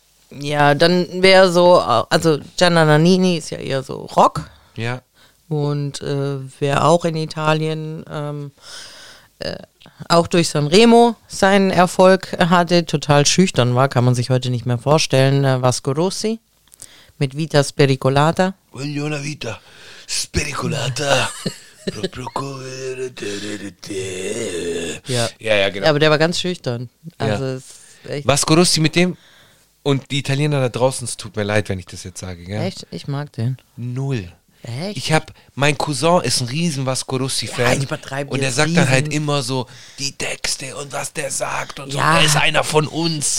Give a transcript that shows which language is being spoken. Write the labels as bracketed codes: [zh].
[de] Ja, dann wäre so, also Gianna Nannini ist ja eher so Rock. Ja. Und wäre auch in Italien auch durch Sanremo seinen Erfolg hatte, total schüchtern war, kann man sich heute nicht mehr vorstellen. Vasco Rossi mit Vita Spericolata. [it] Voglio una vita spericolata. [de] Ja. Ja, ja, genau. Ja, aber der war ganz schüchtern. Also ja. Vasco Rossi mit dem und die Italiener da draußen, es tut mir leid, wenn ich das jetzt sage. Gell? Echt? Ich mag den. Null. Echt? Ich hab, mein Cousin ist ein riesen Vasco Rossi-Fan. Ja, und er sagt dann halt immer so, die Texte und was der sagt und so, er ist einer von uns.